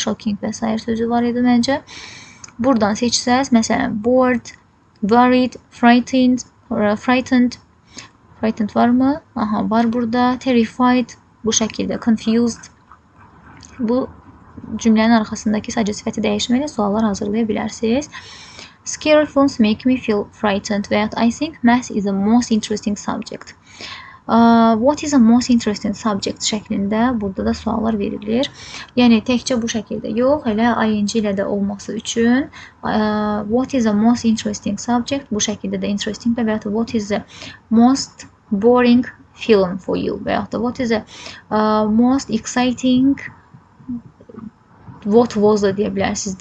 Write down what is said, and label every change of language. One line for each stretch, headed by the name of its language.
Azerbaijani: Shocking və s. sözü var idi məncə. Buradan seçsəz, məsələn, bored, worried, frightened var mı? Aha, var burada. Terrified, bu şəkildə, confused. Bu cümlənin arxasındakı sadəcə sifəti dəyişməklə suallar hazırlaya bilərsiniz.
English: Scary films make me feel frightened. But I think math is the most interesting subject. What is the most interesting subject
Azerbaijani: şəklində burada da suallar verilir. Yəni, təkcə bu şəkildə yox, hələ ing ilə də olması üçün.
English: What is the most interesting subject?
Azerbaijani: Bu şəkildə də
English: interesting.
Azerbaijani: Və yaxud da
English: what is the most boring film for you?
Azerbaijani: Və yaxud da
English: what is the most exciting what was
Azerbaijani: da deyə bilərsiniz.